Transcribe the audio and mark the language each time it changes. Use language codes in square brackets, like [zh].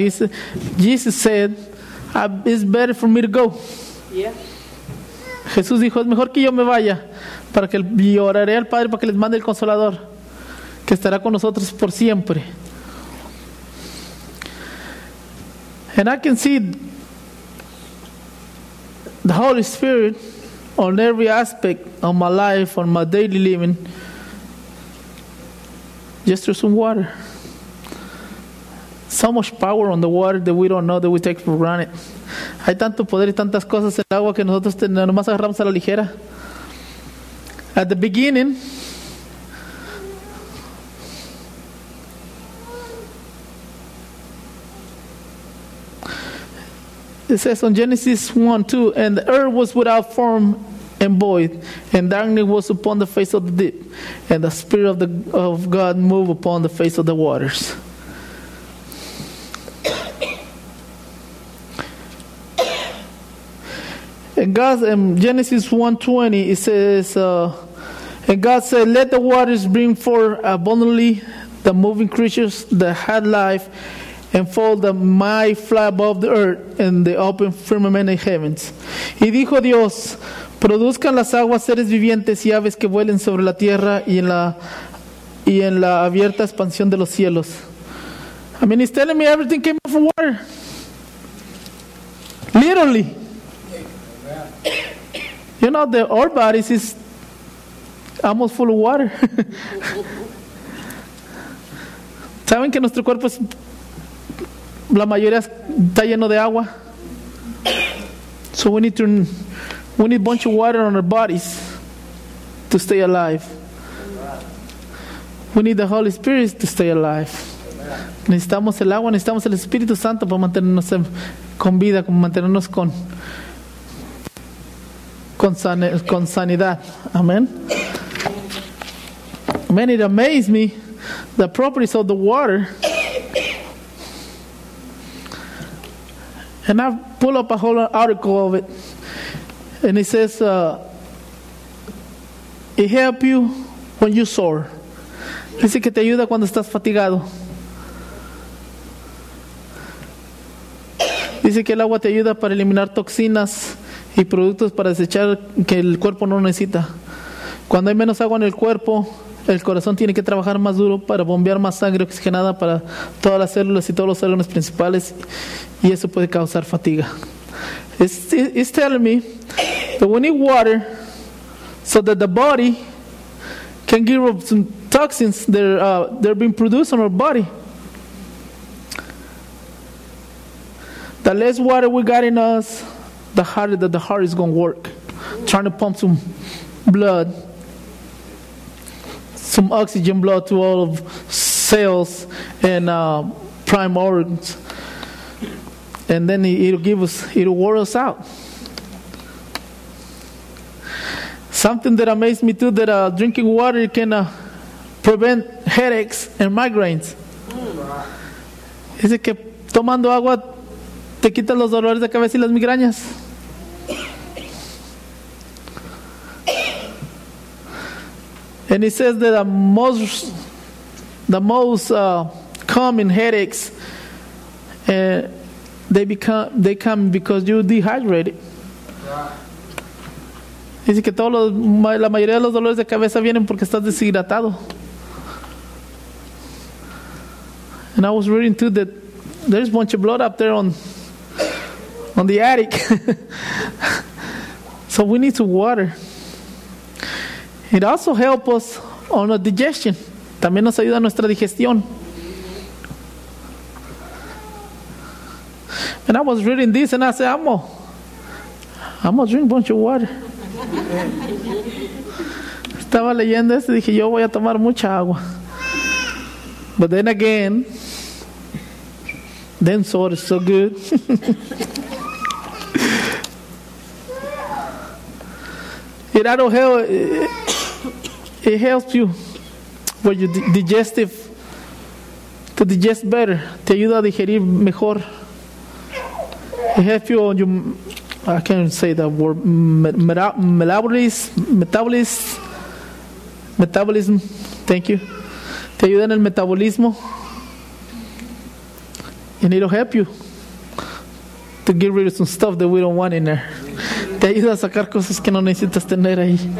[en] He said, Jesus said, it's better for me to go. Yeah. [es] Jesús dijo, es mejor que yo me vaya, para que oraré al Padre para que les mande el Consolador, que estará con nosotros por siempre. [en] And I can see the Holy Spirit on every aspect of my life, on my daily living, just through some water. So much power on the water that we don't know, that we take for granted. [es] Hay tanto poder y tantas cosas en el agua que nosotros nomás agarramos a la ligera. [en] At the beginning, it says on Genesis 1:2, and the earth was without form and void, and darkness was upon the face of the deep, and the Spirit of God moved upon the face of the waters. And God, in Genesis 1:20, it says, and God said, let the waters bring forth abundantly the moving creatures that had life, and fold the my fly above the earth in the open firmament of heavens. [es] Y dijo Dios, produzcan las aguas seres vivientes y aves que vuelen sobre la tierra y en la abierta expansión de los cielos. [en] I mean, he's telling me everything came from water. Literally. You know, the our bodies is almost full of water. [es] ¿Saben que nuestro cuerpo es la mayoría está lleno de agua? [en] So we need a bunch of water on our bodies to stay alive. We need the Holy Spirit to stay alive. [es] Necesitamos el agua, necesitamos el Espíritu Santo para mantenernos con vida, para mantenernos con sanidad. [en] Amen. Man, it amazed me the properties of the water. And I pull up a whole article of it. And it says, it help you when you soar. [es] Dice que te ayuda cuando estás fatigado. Dice que el agua te ayuda para eliminar toxinas y productos para desechar que el cuerpo no necesita. Cuando hay menos agua en el cuerpo, el corazón tiene que trabajar más duro para bombear más sangre oxigenada para todas las células y todos los órganos principales, y eso puede causar fatiga. [en] It's telling me that we need water so that the body can give up some toxins that are being produced on our body. The less water we got in us, the harder that the heart is going to work, trying to pump some blood, some oxygen blood to all of cells and prime organs. And then it'll wore us out. Something that amazed me too, that drinking water can prevent headaches and migraines. [es] Dice que tomando agua te quita los dolores de cabeza y las migrañas. [en] And it says that the most common headaches, they come because you dehydrated. Yeah. [es] Dice que la mayoría de los dolores de cabeza vienen porque estás deshidratado. [en] And I was reading too that there's a bunch of blood up there on the attic. So we need some water. It also helps us on our digestion. [es] También nos ayuda a nuestra digestión. [en] And I was reading this and I said, I'm gonna drink a bunch of water. [es] Estaba leyendo esto y dije, yo voy a tomar mucha agua. [en] But then again, them sword is so good. It helps you with your to digest better. [es] Te ayuda a digerir mejor. [en] It helps you on your, I can't say that word, metabolism, thank you. [es] Te ayuda en el metabolismo. [en] And it'll help you to get rid of some stuff that we don't want in there. [es] Te ayuda a sacar cosas que no necesitas tener ahí.